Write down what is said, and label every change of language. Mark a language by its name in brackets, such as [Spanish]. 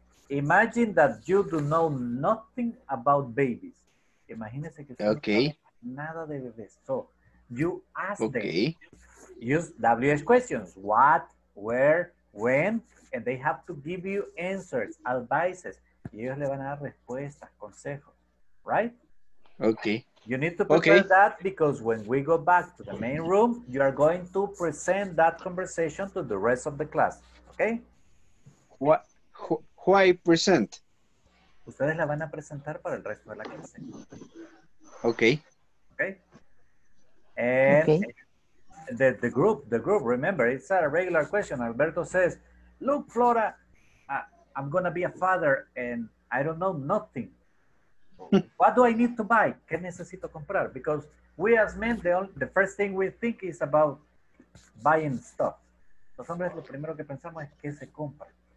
[English] Imagine that you do know nothing about babies. [Spanish] Imagínese que [English] okay. [Spanish] Nada de bebés. [English] So you ask okay. them. Use WH questions. What, where, when? And they have to give you answers, advices. [Spanish] Y ellos le van a dar respuestas, consejos. [English] Right? Okay. You need to prepare okay. that because when we go back to the main room, you are going to present that conversation to the rest of the class. Okay? What? Why present? [Spanish] Ustedes la van a presentar para el resto de la clase. [English] Okay. Okay? And okay. The group, remember, it's not a regular question. Alberto says, look, Flora, I'm going to be a father and I don't know nothing. What do I need to buy? [Spanish] ¿Qué necesito comprar? [English] Because we as men, the first thing we think is about buying stuff. [Spanish] Los hombres, lo primero que pensamos es qué se compra.